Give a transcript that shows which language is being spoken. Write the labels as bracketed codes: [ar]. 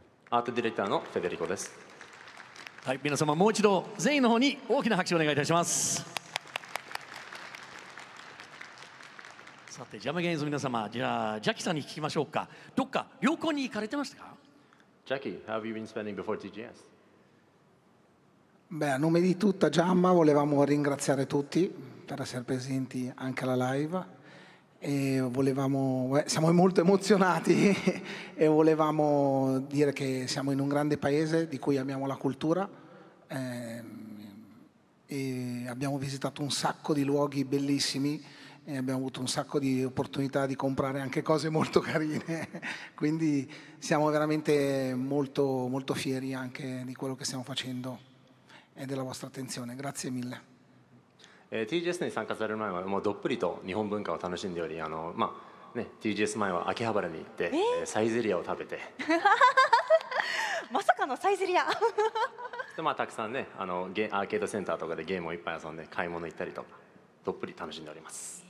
[ja] Art Director の Federico です。はい、皆様もう一度全員の方に大きな拍手をお願いいたします。さて、ジャマゲームズ皆様、じゃあジャッキーさんに聞きましょうか。どっか旅行に行かれてましたか？ [en] ジャッキー、How have you been spending before TGS? [it] Beh, a nome di tutta Giamma, volevamo ringraziare tutti per essere presenti anche alla live. E volevamo, siamo molto emozionati e volevamo dire che siamo in un grande paese di cui amiamo la cultura e abbiamo visitato un sacco di luoghi bellissimi e abbiamo avuto un sacco di opportunità di comprare anche cose molto carine quindi siamo veramente molto, molto fieri anche di quello che stiamo facendo e della vostra attenzione, grazie mille。 [ja] TGS に参加される前はもうどっぷりと日本文化を楽しんでおり、まあね、TGS 前は秋葉原に行って、サイゼリアを食べてまさかのサイゼリアで、まあ、たくさんね、アーケードセンターとかでゲームをいっぱい遊んで買い物行ったりとかどっぷり楽しんでおります。